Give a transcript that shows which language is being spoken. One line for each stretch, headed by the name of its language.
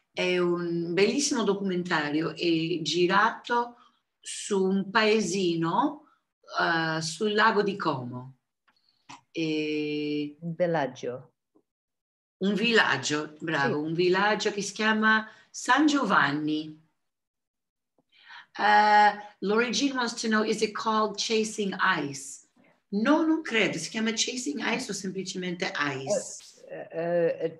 Italian: È un bellissimo documentario, è girato su un paesino sul lago di Como. E un villaggio. Un villaggio, bravo, sì. Un villaggio che si chiama San Giovanni.
English: Lorigine wants to know, is it called Chasing Ice?
Italian: No, non credo, si chiama Chasing Ice o semplicemente Ice?